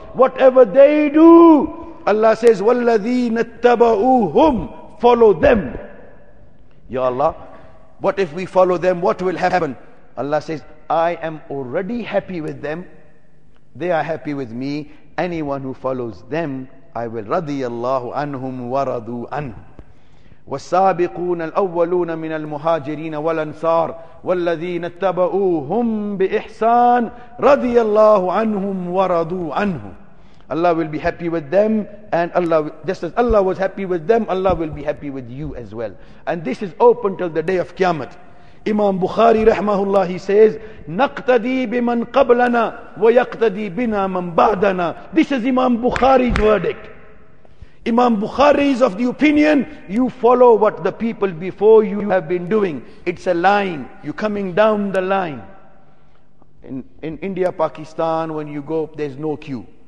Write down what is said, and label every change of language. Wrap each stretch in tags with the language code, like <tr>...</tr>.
<en>Whatever they do, Allah says,</en> <ar>وَالَّذِينَ اتَّبَعُوهُمْ.</ar> <en>Follow them. Ya Allah, what if we follow them, what will happen? Allah says, I am already happy with them. They are happy with me. Anyone who follows them, I will</en> <ar>radiyallahu anhum wa radu anhum. والسابقون الأولون من المهاجرين والأنصار والذين اتبعوهم بإحسان رضي الله عنهم ورضوا عنه.</ar> <en>Allah will be happy with them, and Allah, just as Allah was happy with them, Allah will be happy with you as well. And this is open till the day of Qiyamah. Imam Bukhari rahmahullah, he says,</en> <ar>نقتدي بمن قبلنا ويقتدي بنا من بعدنا.</ar> <en>This is Imam Bukhari's verdict. Imam Bukhari is of the opinion, you follow what the people before you have been doing. It's a line. You're coming down the line. In India, Pakistan, when you go, there's no queue.</en>